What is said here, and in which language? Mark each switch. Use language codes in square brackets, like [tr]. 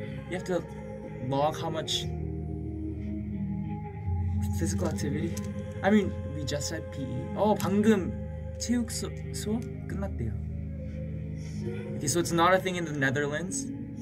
[en] You have to log how much physical activity. I mean, we just said PE. [ko] Oh, 방금 체육 수업 끝났대요. [en] Okay, so it's not a thing in the Netherlands.